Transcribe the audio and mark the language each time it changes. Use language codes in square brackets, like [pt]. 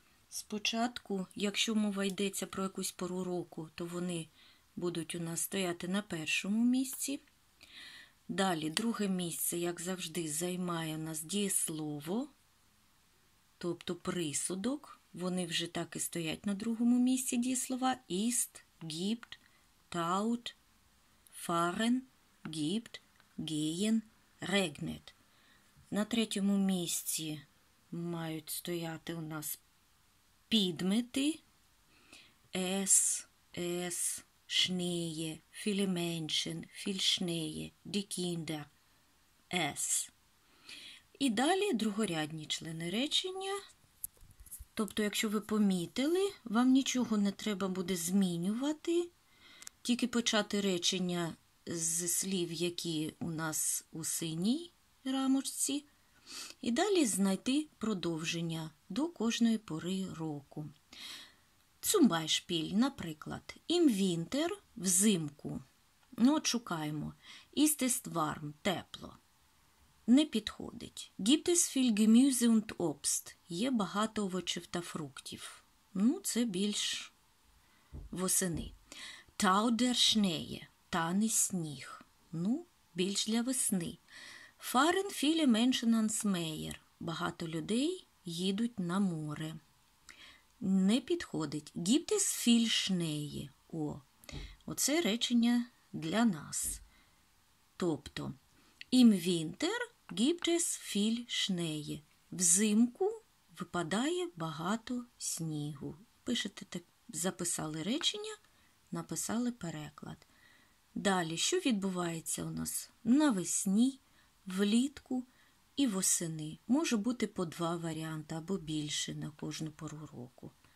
[uk] Спочатку, якщо мова йдеться про якусь пору року, то вони будуть у нас стояти на першому місці. Далі, друге місце, як завжди, займає у нас дієслово, тобто присудок. Вони вже так і стоять на другому місці дієслова. [de] Ist, gibt, taut, fahren, gibt, gehen, regnet. [uk] На третьому місці мають стояти у нас підмети. [de] Es, Schnee, viele Menschen, viel Schnee, die Kinder, es. [uk] І далі другорядні члени речення. Тобто, якщо ви помітили, вам нічого не треба буде змінювати. Тільки почати речення з слів, які у нас у синій рамочці. І далі знайти продовження до кожної пори року. [de] Zum Beispiel, [uk] наприклад, [de] im Winter, [uk] взимку. Ну, от шукаємо. [de] Ist es warm, [uk] тепло. Не підходить. [de] Gibt es viel Gemüse und Obst? [uk] Є багато овочів та фруктів. Ну, це більш восени. [de] Taut der Schnee, [uk] тане сніг. Ну, більш для весни. [de] Fahren viele Menschen ans Meer. [uk] Багато людей їдуть на море. Не підходить. [de] Gibt es viel Schnee? [uk] О, оце речення для нас. Тобто, [de] im Winter gibt es viel Schnee. [uk] Взимку випадає багато снігу. Пишете так, записали речення, написали переклад. Далі, що відбувається у нас навесні? Влітку і восени. Може бути по два варіанти або більше на кожну пору року.